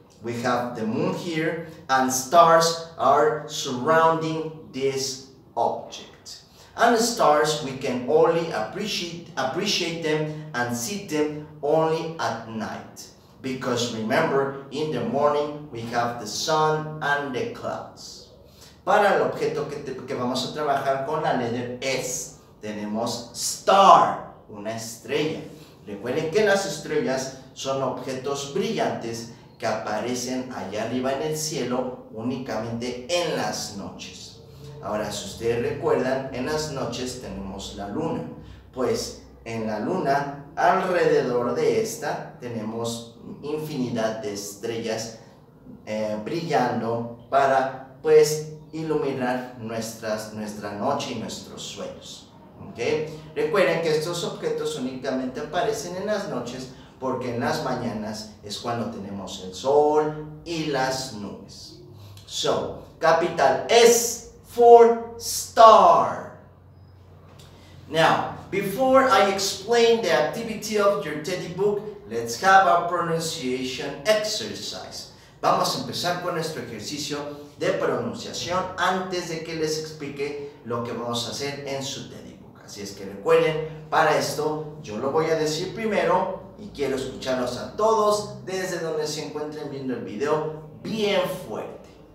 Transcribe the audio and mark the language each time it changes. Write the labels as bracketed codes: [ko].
[en] We have the moon here, and stars are surrounding this object. And stars, we can only appreciate them and see them only at night. Because remember, in the morning, we have the sun and the clouds. [es] Para el objeto que vamos a trabajar con la letter S, tenemos star, una estrella. Recuerden que las estrellas son objetos brillantes que aparecen allá arriba en el cielo únicamente en las noches. Ahora, si ustedes recuerdan, en las noches tenemos la luna. Pues en la luna, alrededor de esta, tenemos infinidad de estrellas brillando para, pues, iluminar nuestra noche y nuestros sueños. ¿Okay? Recuerden que estos objetos únicamente aparecen en las noches porque en las mañanas es cuando tenemos el sol y las nubes. [en] So, capital S for star. Now, before I explain the activity of your teddy book, let's have a pronunciation exercise. [es] Vamos a empezar con nuestro ejercicio de pronunciación antes de que les explique lo que vamos a hacer en su teddy book. Así es que recuerden, para esto yo lo voy a decir primero y quiero escucharlos a todos desde donde se encuentren viendo el video bien fuerte.